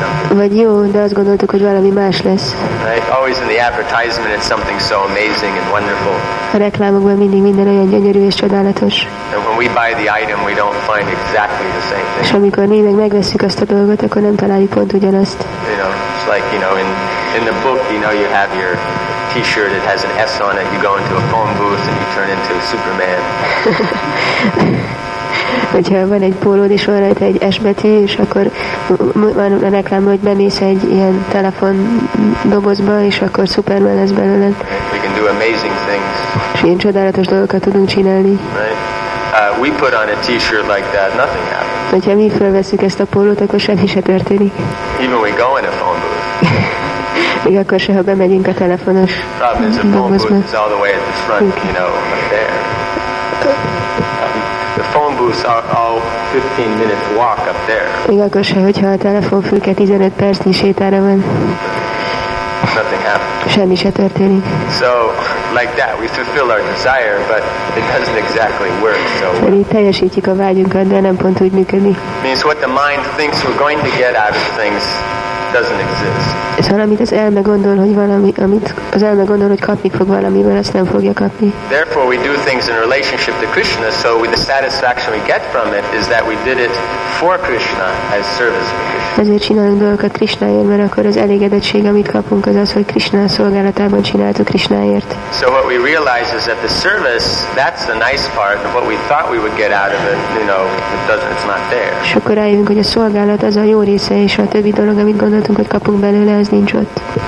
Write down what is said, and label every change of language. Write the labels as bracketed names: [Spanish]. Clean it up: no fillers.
[Hungarian] Vagy jó, de azt gondoltuk, hogy valami más lesz. [English] Right? Always in the advertisement, it's something so amazing and wonderful. [Hungarian] A reklámokban mindig minden olyan gyönyörű és csodálatos. [English] And when we buy the item, we don't find exactly the same thing. [Hungarian] És amikor mi meg megveszük azt a dolgot, akkor nem találjuk pont ugyanazt. [English] You know, it's like, you know, in the book, you know, you have your T-shirt. It has an S on it. You go into a phone booth and you turn into Superman. [Hungarian] Hogyha van egy pólód, és van rajta egy S betű, és akkor van a reklám, hogy bemész egy ilyen telefon dobozba, és akkor Superman lesz belőle. [English] We can do amazing things. [Hungarian] És ilyen csodálatos dolgokat tudunk csinálni. [English] Right. We put on a t-shirt like that, nothing happens. [Hungarian] Hogyha mi felveszünk ezt a pólót, akkor semmi se történik. [English] Even we go in a phone booth. [Hungarian] Még akkor se, ha bemegyünk a telefonos dobozba. [English] It's all the way at the front, okay. You know, up there. Phone booths are all 15 minutes walk up there. [Hungarian] Még akkor se, hogyha a telefonfülke 15 percnyi sétára van. [English] Nothing happens. [Hungarian] Semmi se történik. [English] So, like that, we fulfill our desire, but it doesn't exactly work. So. [Hungarian] Mi teljesítjük a vágyunkat, de nem pont úgy működik. [English] Means what the mind thinks we're going to get out of things doesn't exist. [Hungarian] Ez valamit az elme gondol, hogy valami, amit az elme gondol, hogy kapni fog valamiből, azt nem fogja kapni. [English] Therefore we do things in relationship to Krishna, so with the satisfaction we get from it is that we did it for Krishna as service for Krishna. [Hungarian] Ezért csinálunk dolgokat Krishnáért, mert akkor az elégedettség, amit kapunk, az az, hogy Krishna szolgálatában csináltuk Krishnáért. [English] So what we realize is that the service, that's the nice part of what we thought we would get out of it, you know, it doesn't, it's not there. [Hungarian] És akkor rájövünk, hogy a szolgálat az a jó része, és a többi dolog, amit gondoltunk, hogy kapunk belőle, az nincs ott.